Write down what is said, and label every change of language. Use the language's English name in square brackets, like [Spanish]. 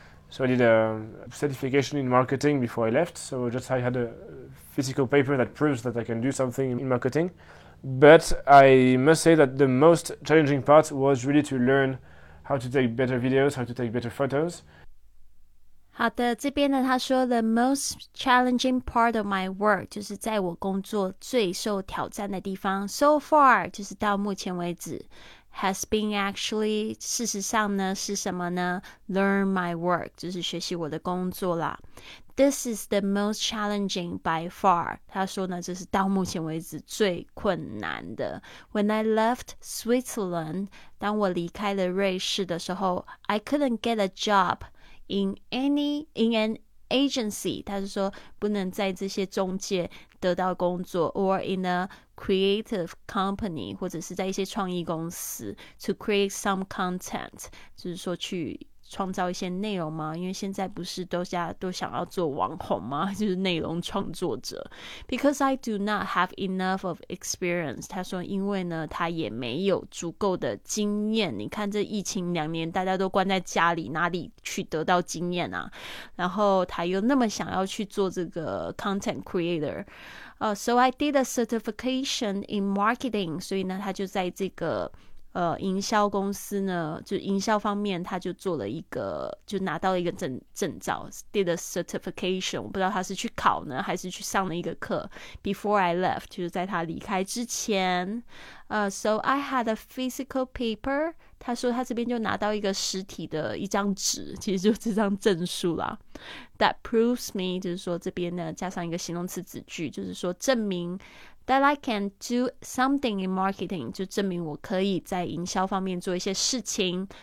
[English] So I did a certification in marketing before I left. So just I had a physical paper that proves that I can do something in marketing. But I must say that the most challenging part was really to learn how to take better videos, how to take better photos. [Chinese] 好的，这边呢他说 [English] the most challenging part of my work [Chinese] 就是在我工作最受挑战的地方 [English] so far [Chinese] 就是到目前为止。 [English] Has been actually, [Chinese] 事实上呢是什么呢 ? [English] Learn my work, [Chinese] 就是学习我的工作啦。 [English] This is the most challenging by far. [Chinese] 他说呢这是到目前为止最困难的。 [English] When I left Switzerland, [Chinese] 当我离开了瑞士的时候 [English] ,I couldn't get a job in an agency. [Chinese] 他是说不能在这些中介得到工作 [English] or in a creative company [Chinese] 或者是在一些创意公司 [English] to create some content [Chinese] 就是说去创造一些内容吗？因为现在不是大家都想要做网红吗？就是内容创作者 [English] because I do not have enough of experience [Chinese] 他说因为呢他也没有足够的经验，你看这疫情两年大家都关在家里，哪里去得到经验啊？然后他又那么想要去做这个 content creator。 [English] So I did a certification in marketing. [Chinese] 所以呢他就在这个营销公司呢，就营销方面他就做了一个，就拿到了一个证照 [English] did a certification. [Chinese] 我不知道他是去考呢还是去上了一个课 [English] before I left, [Chinese] 就是在他离开之前。 [English] So I had a physical paper. [Chinese] 他说他这边就拿到一个实体的一张纸，其实就这张证书啦。 [English] That proves me, [Chinese] 就是说这边呢加上一个形容词子句，就是说证明 [English] that I can do something in marketing, [Chinese] 就证明我可以在营销方面做一些事情。